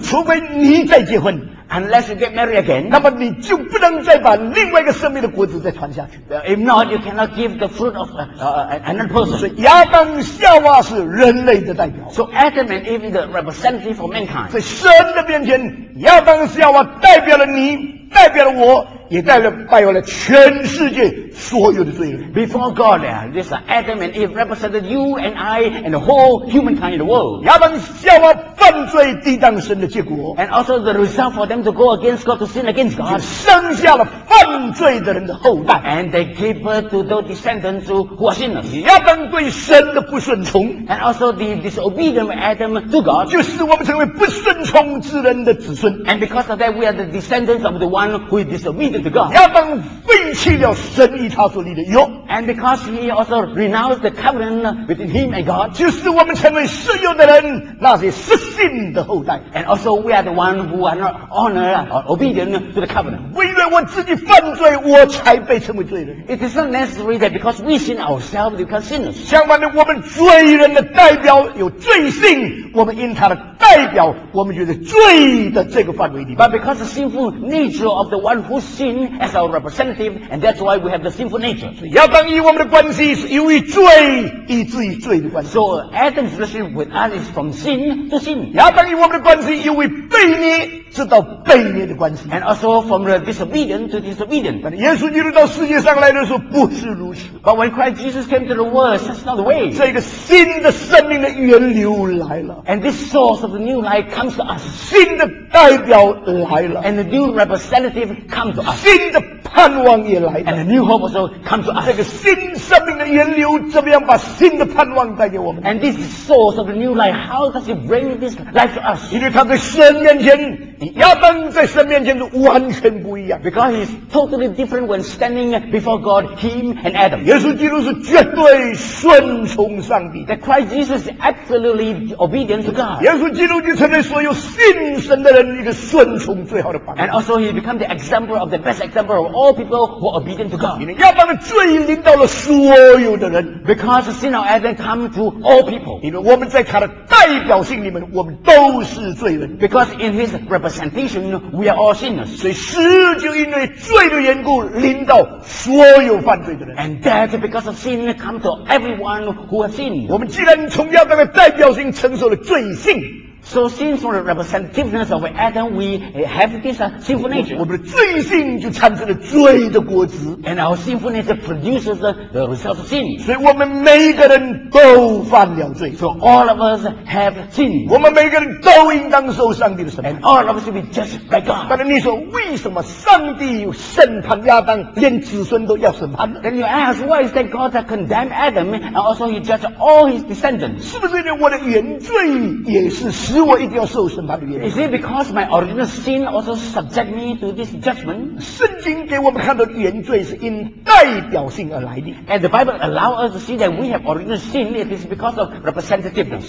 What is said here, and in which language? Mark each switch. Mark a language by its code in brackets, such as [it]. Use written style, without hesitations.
[zh] 除非你再结婚。 [en] Unless you get married again, [zh] 那么你就不能再把另外一个生命的果子再传下去。 [en] If not, you cannot give the fruit of another person. [zh] 所以亚当夏娃是人类的代表。 [en] So Adam and Eve is the representative for mankind. [zh] 在神的面前，亚当夏娃代表了你，代表了我，也带了败坏了全世界所有的罪人。 [en] Before God, this Adam and Eve represented you and I and the whole humankind in the world. [zh] 亚当夏娃犯罪抵挡神的结果。 [en] And also the result for them to go against God, to sin against God. [zh] 生下了犯罪的人的后代。 [en] And they gave birth to those descendants who are sinners. [zh] 亚当对神的不顺从。 [en] And also the disobedient Adam to God. [zh] 就是我们成为不顺从之人的子孙。 [en] And because of that, we are the descendants of the one who is disobedient. [zh] 亚当废弃了神与他所立的约。 [en] And because he also renounced the covenant between him and God. [zh] 就是我们成为世有的人，那些失信的后代。 [en] And also we are the one who are not honored or obedient to the covenant. [zh] 为了我自己犯罪，我才被称为罪人。 [en] It is not necessary that because we sin ourselves, we become sinners. [zh] 相反的，我们罪人的代表有罪性，我们因他的代表，我们就在罪的这个范围里。 [en] But because the sinful nature of the one whoSin as our representative, and that's why we have the sinful nature. [zh] 亚当与我们的关系是由于罪，以至于罪的关系。 [en] So Adam's relationship with us is from sin to sin. [zh] 亚当与我们的关系由于悖逆，直到悖逆的关系。 [en] And also from the disobedient to disobedient. [zh] 但耶稣基督到世界上来的时候不是如此。 [en] But when Christ Jesus came to the world, that's not the way. [zh] 这个新的生命的源流来了。 [en] And this source of the new life comes to us. [zh] 新的代表来了。 [en] And the new representative comes. [zh] 新的盼望也来了 [en] and a new hope also comes to us. [zh] 这个新生命的源流怎么样把新的盼望带给我们 [en] and this source of the new life, how does it bring this life to us? [zh] 因为他在神面前亚当在神面前是完全不一样 [en] because he's totally different when standing before God, him and Adam. [zh] 耶稣基督是绝对顺从上帝 [en] that Christ Jesus is absolutely obedient to God. [zh] 耶稣基督就成为所有信神的人一个顺从最好的榜样 [en] and also he become the example. Of the best example of all people who are obedient to God. [zh] 亚当的罪临到了所有的人 [en] because the sin of Adam come to all people. [zh] 因为我们在他的代表性里面，我们都是罪人 [en] because in his representation, we are all sinners. [zh] 所以死就因为罪的缘故临到所有犯罪的人 [en] and death because of sin come to everyone who has sinned. [zh] 我们既然从亚当的代表性承受了罪性。 [en] So since from the representativeness of Adam, we have this sinful nature. [zh] 我们的罪性就产生了罪的果子。 [en] And our sinful nature produces the result of sin. [zh] 所以我们每个人都犯了罪。 [en] So all of us have sin. [zh] 我们每个人都应当受上帝的审判。 [en] And all of us should be judged by God. [zh] 但是你说为什么上帝审判亚当，连子孙都要审判呢 [en] ？Then you ask why is that God that condemned Adam and also he judged all his descendants? [zh] 是不是因为我的原罪也是？使我一定要受审判的原因。 [en] Is it because my original sin also subject me to this judgment? [zh] 圣经给我们看到原罪是因代表性而来的。 [en] And the Bible allow us to see that we have original sin, it is because of representativeness.